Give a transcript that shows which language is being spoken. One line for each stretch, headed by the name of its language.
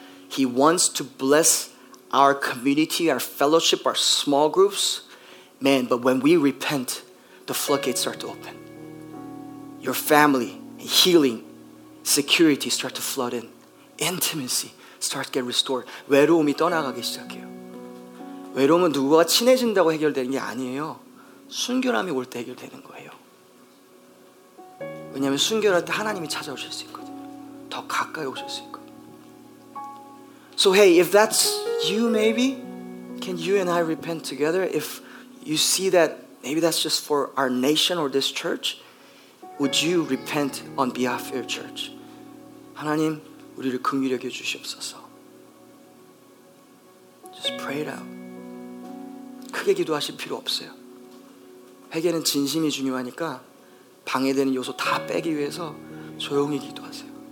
English: He wants to bless our community, our fellowship, our small groups. Man, but when we repent, the floodgates start to open. Your family, healing, security start to flood in. Intimacy start to get restored.
Korean: 외로움이 떠나가기 시작해요. 외로움은 누구와 친해진다고 해결되는 게 아니에요. 순결함이 올 때 해결되는 거예요. 왜냐하면 순결할 때 하나님이 찾아오실 수 있거든요. 더 가까이 오실 수 있거든요.
English: So hey, if that's you maybe, can you and I repent together? If you see that maybe that's just for our nation or this church, would you repent on behalf of your church?
Korean: 하나님, 우리를 긍휼히 여겨 주시옵소서.
English: Just pray it out.
Korean: 크게 기도하실 필요 없어요. 회개는 진심이 중요하니까 방해되는 요소 다 빼기 위해서 조용히 기도하세요.